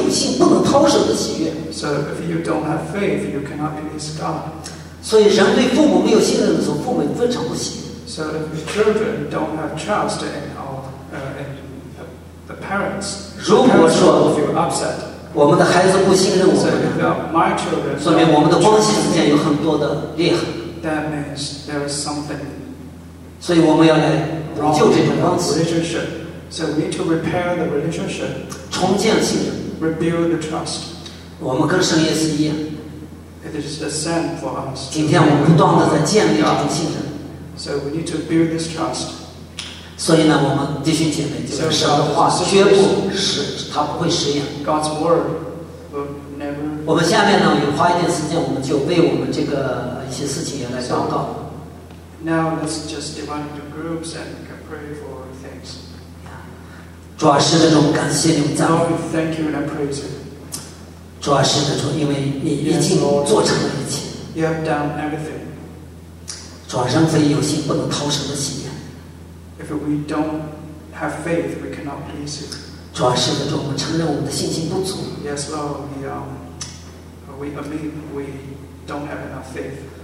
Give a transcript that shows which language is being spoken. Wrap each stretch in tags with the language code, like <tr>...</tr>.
<zh>这就是刚才弟兄讲圣经讲为什么人非有信不能讨神的喜悦。</zh> <en>So if you don't have faith, you cannot please God.</en> <zh>所以人对父母没有信任的时候，父母非常不喜悦。</zh> <en>So if your children don't have trust in the parents,</en> <zh>如果说我们的孩子不信任我们，</zh> <en>so if my children,</en> <zh>说明我们的关系之间有很多的裂痕。</zh> <en>That means there is something.</en> <zh>所以我们要来补救这种关系，</zh> <en>so we need to repair the relationship,</en> <zh>重建信任，</zh> <en>rebuild the trust.</en> <zh>我们跟神也是一样，</zh> <en>It is the same for us.</en> <zh>今天我们不断地在建立这种信任。</zh> <en>So we need to build this trust.</en> <zh>所以呢，我们弟兄姐妹，就是神的话，绝不是它不会食言。</zh> <en>God's word will never.</en> <zh>我们下面呢，有花一点时间，我们就为我们这个一些事情来祷告。</zh> <en>Now let's just divide into groups and pray for things.</en> <zh>主啊，是这种感谢你赞美。</zh> <en>Lord, thank you and I praise you.</en> <zh>主啊，是的主，因为你已经做成了一切。</zh> <en>You have done everything.</en> <zh>主啊，仍非有心不能讨神的喜悦。</zh> <en>If we don't have faith, we cannot please you.</en> <zh>主啊，是的主，我们承认我们的信心不足。</zh> <en>Yes, Lord, we admit we don't have enough faith.</en>